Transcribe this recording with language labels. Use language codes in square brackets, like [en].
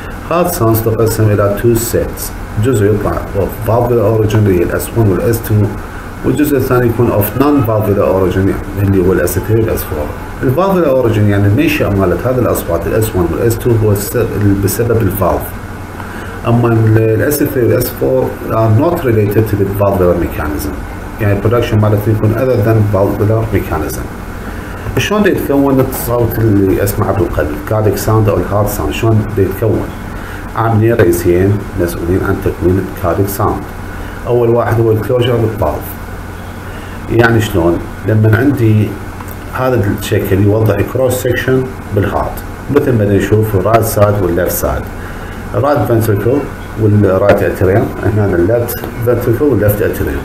[ar] هارت ساوند تقسم إلى 2 سيتس، جزء يطلع أوف فالفولار أوريجين اللي هي الأس 1 والأس 2، والجزء الثاني يكون أوف نون فالفولار أوريجين اللي هو الأس 3 والأس 4. الفالفولار أوريجين يعني النشأة مالت هذه الأصوات الأس 1 والأس 2 هو بسبب الفالف. أما الأس 3 والأس 4 [en] are not related to the valvular mechanism. [ar] يعني البرودكشن مالته يكون [en] other than valvular mechanism. [ar] شلون يتكون الصوت اللي اسمعه بالقلب الكارديك ساوند او الهارت ساوند؟ شلون يتكون؟ عاملين رئيسيين مسؤولين عن تكوين الكارديك ساوند. اول واحد هو الكلوجر للفالف. يعني شلون؟ لما عندي هذا الشكل يوضح كروس سكشن بالهارت، مثل ما نشوف الرايت سايد والليفت سايد، الرايت فنتركل والرايت اتريوم، هنا اللفت فنتركل واللفت اتريوم.